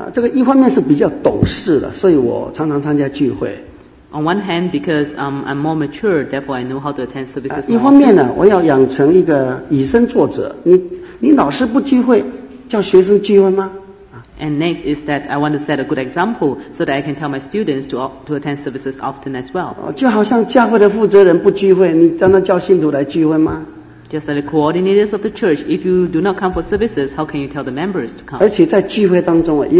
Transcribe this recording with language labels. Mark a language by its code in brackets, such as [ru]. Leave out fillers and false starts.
[zh] 这个一方面是比较懂事的，所以我常常参加聚会。 [en] On one hand, because I'm more mature, therefore I know how to attend services more. [zh] 一方面呢，我要养成一个以身作则。你老师不聚会，叫学生聚会吗？ [en] And next is that I want to set a good example so that I can tell my students to attend services often as well. [zh] 就好像教会的负责人不聚会，你让他叫信徒来聚会吗？ [en] Just like the coordinators of the church, if you do not come for services, how can you tell the members to come?